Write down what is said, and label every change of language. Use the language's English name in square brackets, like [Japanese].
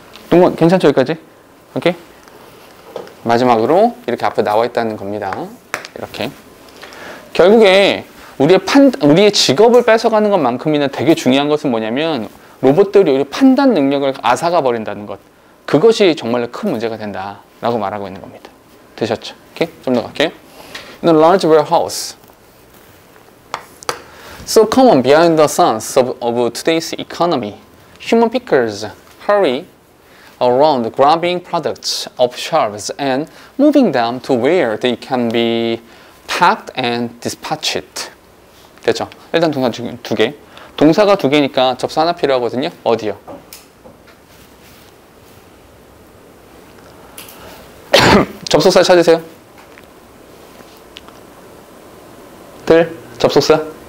[Korean] 동원 괜찮죠 여기까지? 오케이? 마지막으로 이렇게 앞에 나와 있다는 겁니다. 이렇게 결국에 우리의 직업을 뺏어가는 것만큼이나 되게 중요한 것은 뭐냐면 로봇들이 우리 판단 능력을 앗아가 버린다는 것 그것이 정말로 큰 문제가 된다 라고 말하고 있는 겁니다. 되셨죠? 오케이? [English] 좀 더 갈게요. In a large warehouse So common behind the suns of today's economy Human pickers hurry around grabbing products off shelves and moving them to where they can be packed and dispatched. [Korean] 됐죠? 일단 동사 두 개. 동사가 두 개니까 접사 하나 필요하거든요. 어디요? 접속사 찾으세요. 들 접속사?